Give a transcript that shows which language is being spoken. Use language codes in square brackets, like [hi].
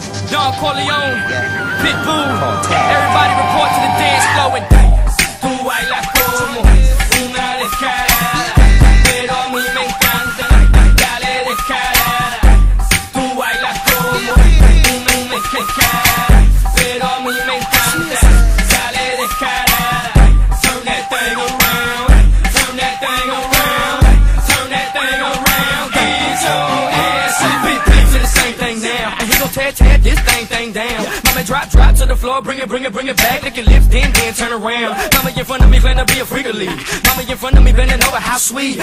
[en] Don Corleone, Pitbull, everybody report to the dance floor and dance. [es] Tú bailas como una descarada, pero a mí me encanta, dale descarada. Tú bailas como una descarada, pero a mí me encanta, dale descarada. [en] Turn that thing around, turn that thing around, turn that thing around, get your ass up. Been preaching the same thing now, and he gon' tear, tear this thing, thing down. Drop to the floor, bring it back. Lick your lips, then turn around. Mama in front of me, finna be a freakily. Mama in front of me, bending over, how sweet.